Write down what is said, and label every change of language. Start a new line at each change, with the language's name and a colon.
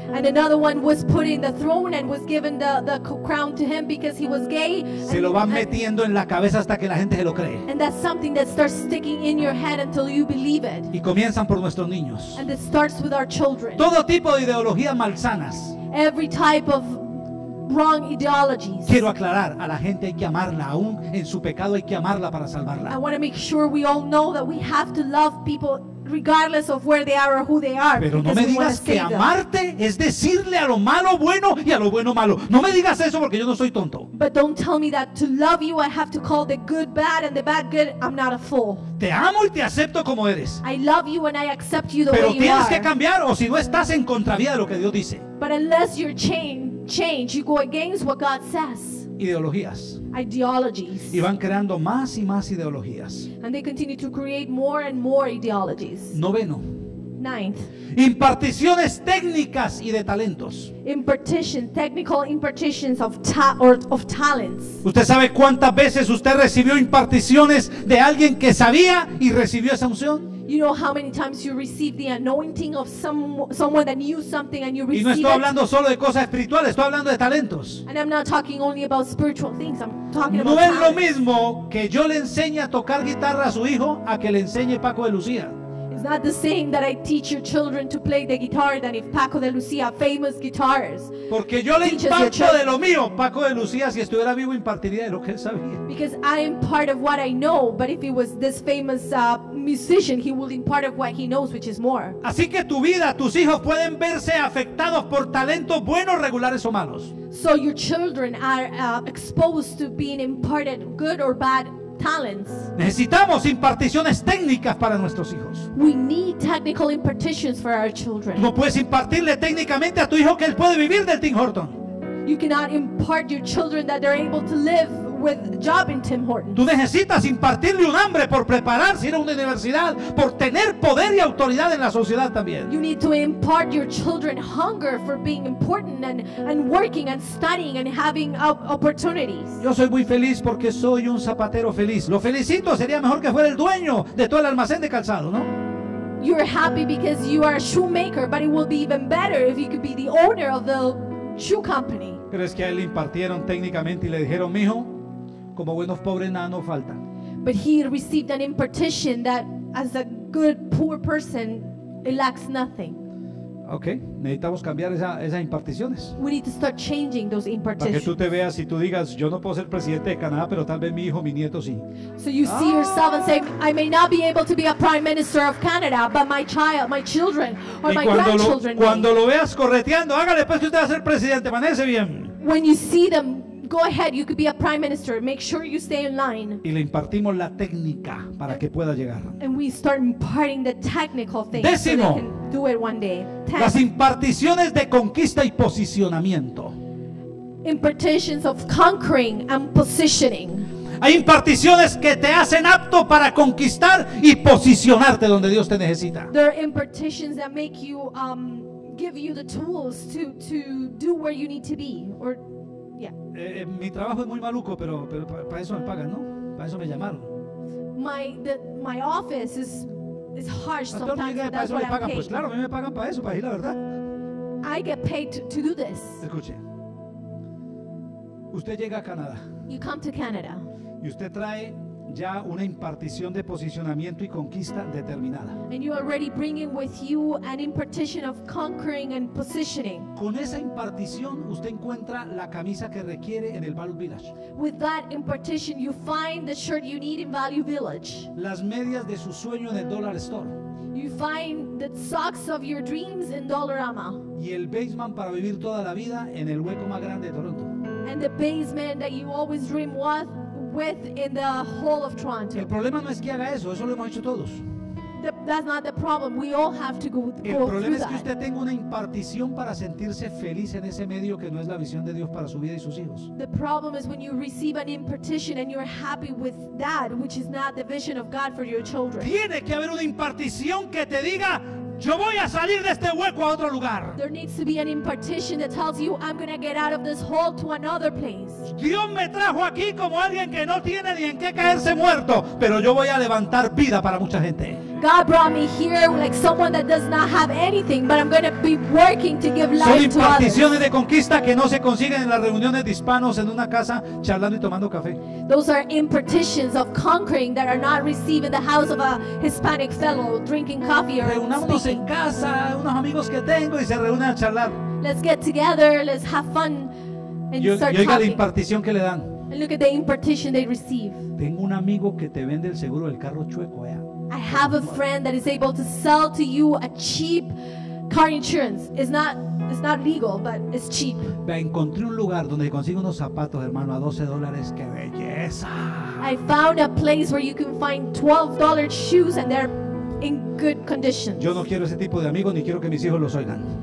English: And another one was put in the throne and was given the crown to him because he was gay.
Spanish: Se lo van metiendo en la cabeza hasta que la gente se lo cree.
English: And that's something that starts sticking in your head until you believe it.
Spanish: Y comienzan por nuestros niños.
English: And it starts with our children.
Spanish: Todo tipo de ideologías malsanas.
English: Every type of wrong ideologies.
Spanish: Quiero aclarar, a la gente hay que amarla, aún en su pecado hay que amarla para salvarla.
English: I want to make sure we all know that we have to love people regardless of where they are or who they are.
Spanish: Pero no me digas que amarte es decirle a lo malo bueno y a lo bueno malo. No me digas eso porque yo no soy tonto.
English: But don't tell me that to love you I have to call the good bad and the bad good. I'm not a fool.
Spanish: Te amo y te acepto como eres.
English: I love you and I accept you the
Spanish: pero
English: way you are.
Spanish: Pero tienes que cambiar, o si no estás en contravía de lo que Dios dice.
English: But unless you're change, you go against what God says.
Spanish: Ideologías.
English: Ideologies.
Spanish: Y van creando más y más ideologías.
English: And they continue to create more and more ideologies.
Spanish: Noveno.
English: Ninth.
Spanish: Imparticiones técnicas y de talentos.
English: Impartition, technical impartitions of talents.
Spanish: ¿Usted sabe cuántas veces usted recibió imparticiones de alguien que sabía y recibió esa unción?
English: You know how many times you receive the anointing of someone that knew something and you receive.
Spanish: Y no estoy hablando solo de cosas espirituales, estoy hablando de talentos.
English: And I'm not talking only about spiritual things, I'm talking
Spanish: no
English: about talents.
Spanish: No es lo mismo que yo le enseñe a tocar guitarra a su hijo a que le enseñe Paco de Lucía.
English: It's not the same that I teach your children to play the guitar than if Paco de Lucía, famous guitarist.
Spanish: Porque yo le imparto de lo mío. Paco de Lucía, si estuviera vivo, impartiría de lo que él sabía.
English: Because I am part of what I know, but if he was this famous musician, he would impart of what he knows, which is more.
Spanish: Así que tu vida, tus hijos pueden verse afectados por talentos buenos, regulares o malos.
English: So your children are exposed to being imparted good or bad talents.
Spanish: Necesitamos imparticiones técnicas para nuestros hijos.
English: We need technical impartitions for our children.
Spanish: No puedes impartirle técnicamente a tu hijo que él puede vivir del Tim Horton.
English: You cannot impart your children that they're able to live with a job in Tim Horton.
Spanish: Tú necesitas impartirle un hambre por prepararse ir a una universidad, por tener poder y autoridad en la sociedad también.
English: You need to impart your children hunger for being important and working and studying and having opportunities.
Spanish: Yo soy muy feliz porque soy un zapatero feliz. Lo felicito, sería mejor que fuera el dueño de todo el almacén de calzado, ¿no?
English: You're happy because you are a shoemaker, but it will be even better if you could be the owner of the shoe company.
Spanish: ¿Crees que a él le impartieron técnicamente y le dijeron, mijo, como buenos pobres nada nos falta?
English: But he received an impartition that as a good poor person it lacks nothing.
Spanish: Okay, necesitamos cambiar esas imparticiones.
English: We need to start changing those impartitions.
Spanish: Para que tú te veas y tú digas, yo no puedo ser presidente de Canadá, pero tal vez mi hijo, mi nieto sí.
English: So you see yourself and say, I may not be able to be a prime minister of Canada, but my child, my children, or
Spanish: y
English: my grandchildren.
Spanish: Cuando lo veas correteando, hágale pues que usted va a ser presidente, manéjese bien.
English: When you see them, go ahead, you could be a prime minister. Make sure you stay in line.
Spanish: Y le impartimos la técnica para que pueda llegar.
English: And we start imparting the technical things.
Spanish: Décimo,
English: so they can do it one day. Ten.
Spanish: Las imparticiones de conquista y posicionamiento.
English: Impartitions of conquering and positioning.
Spanish: Hay imparticiones que te hacen apto para conquistar y posicionarte donde Dios te necesita.
English: There are impartitions that make you give you the tools to do where you need to be or. Yeah.
Spanish: Mi trabajo es muy maluco, pero para eso me pagan, ¿no? Para eso me llamaron.
English: My office It's harsh sometimes.
Spanish: Me pagan, pues claro, a mí me pagan para eso, para decir la verdad.
English: I get paid to do this.
Spanish: Escuche. Usted llega a Canadá.
English: You come to Canada.
Spanish: Y usted trae ya una impartición de posicionamiento y conquista determinada.
English: And you already bringing with you an impartition of conquering and positioning.
Spanish: Con esa impartición usted encuentra la camisa que requiere en el Value Village.
English: With that impartition you find the shirt you need in Value Village.
Spanish: Las medias de su sueño en el Dollar Store.
English: You find the socks of your dreams in Dollarama.
Spanish: Y el basement para vivir toda la vida en el hueco más grande de Toronto.
English: And the basement that you always dream was with in the whole of Toronto.
Spanish: El problema no es que haga eso, eso lo hemos hecho todos.
English: That's not the problem. We all have to go through that.
Spanish: El problema es que usted tenga una impartición para sentirse feliz en ese medio que no es la visión de Dios para su vida y sus hijos.
English: The problem is when you receive an impartition and you're happy with that, which is not the vision of God for your children.
Spanish: Tiene que haber una impartición que te diga, yo voy a salir de este hueco a otro lugar.
English: There needs to be an impartition that tells you I'm going to get out of this hole to another place.
Spanish: Dios me trajo aquí como alguien que no tiene ni en qué caerse muerto, pero yo voy a levantar vida para mucha gente.
English: God brought me here like someone that does not have anything, but I'm going to be working to give life to others.
Spanish: Son imparticiones de conquista que no se consiguen en las reuniones de hispanos en una casa charlando y tomando café.
English: Those are impartitions of conquering that are not received in the house of a Hispanic fellow drinking coffee or
Spanish: reunamos
English: speaking.
Spanish: En casa unos amigos que tengo y se reúnen a charlar.
English: Let's get together, let's have fun and start talking.
Spanish: Y oiga la impartición que le dan.
English: And look at the impartition they receive.
Spanish: Tengo un amigo que te vende el seguro del carro chueco, vea.
English: I have a friend that is able to sell to you a cheap car insurance. It's not legal, but it's cheap.
Spanish: Me encontré un lugar donde consigo unos zapatos, hermano, a $12. ¡Qué belleza!
English: I found a place where you can find $12 shoes and they're in good condition.
Spanish: Yo no quiero ese tipo de amigos ni quiero que mis hijos los oigan.